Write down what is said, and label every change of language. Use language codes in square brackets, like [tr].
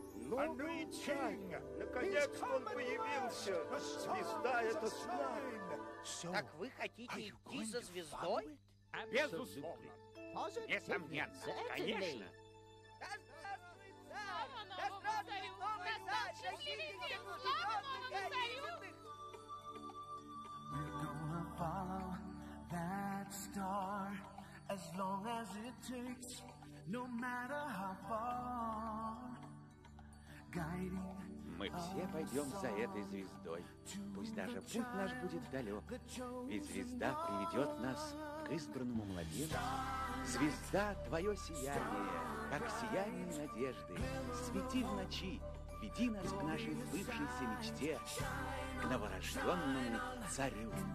[ru] новый день! Наконец он появился! Звезда — это знак! Так вы хотите идти за звездой? Безусловно! Несомненно, конечно! Да здравствуй, царь! Да здравствуй, новый царь! Счастливый день! Слава новому царю! [en] We're gonna follow that star as long as it takes, no matter how far. Guiding. [ru] Мы все пойдем за этой звездой, пусть даже путь наш будет далек, ведь звезда приведет нас к избранному младенцу. Звезда, твое сияние, как сияние надежды, свети в ночи, веди нас к нашей сбывшейся мечте, к новорожденному царю.